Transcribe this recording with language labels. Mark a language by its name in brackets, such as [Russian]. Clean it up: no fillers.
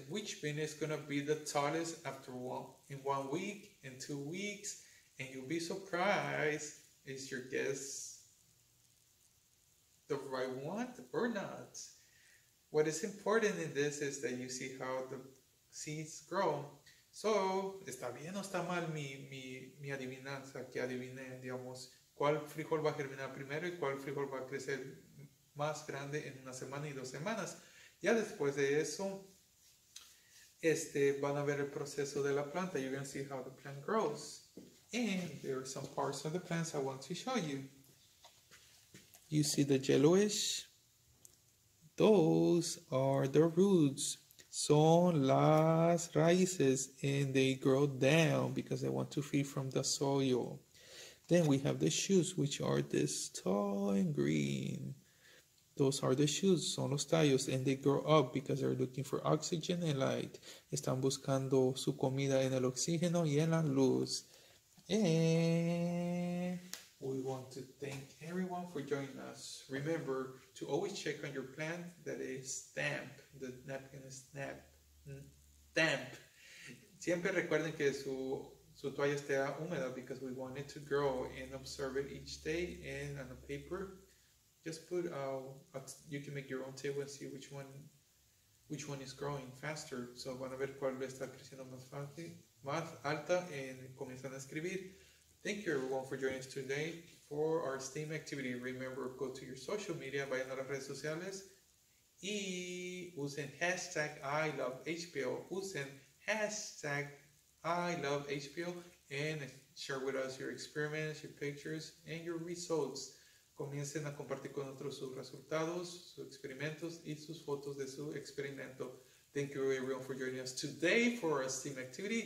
[English] Which bean is gonna be the tallest after one week, in 2 weeks? And you'll be surprised. Is your guess the right one or not? What is important in this is that you see how the seeds grow. [Spanish] So, ¿está bien o está mal mi adivinanza? Que adiviné, digamos, ¿cuál frijol va a germinar primero y cuál frijol va a crecer más grande en una semana y 2 semanas? Ya después de eso, van a ver el proceso de la planta. [English] You're going to see how the plant grows. And there are some parts of the plants I want to show you. You see the yellowish? Those are the roots. [Spanish] Son las raíces, [English] and they grow down because they want to feed from the soil. Then we have the shoots, which are this tall and green. Those are the shoots, [Spanish] son los tallos, [English] and they grow up because they're looking for oxygen and light. [Spanish] Están buscando su comida en el oxígeno y en la luz. [English] And we want to thank everyone for joining us. Remember to always check on your plant that is damp. The napkin is damp. [Spanish] Siempre recuerden que su toalla esté húmeda [English] because we want it to grow, and observe it each day. And on the paper, just put you can make your own table and see which one is growing faster. [Spanish] So van a ver cuál está creciendo más fácil, más alta, and comienzan a escribir. [English] Thank you everyone for joining us today for our STEAM activity. Remember, go to your social media, [Spanish] vayan a las redes sociales y usen hashtag ILoveHPO. [English] Usen hashtag ILoveHPO and share with us your experiments, your pictures, and your results. [Spanish] Comiencen a compartir con otros sus resultados, sus experimentos y sus fotos de su experimento. [English] Thank you everyone for joining us today for our STEAM activity.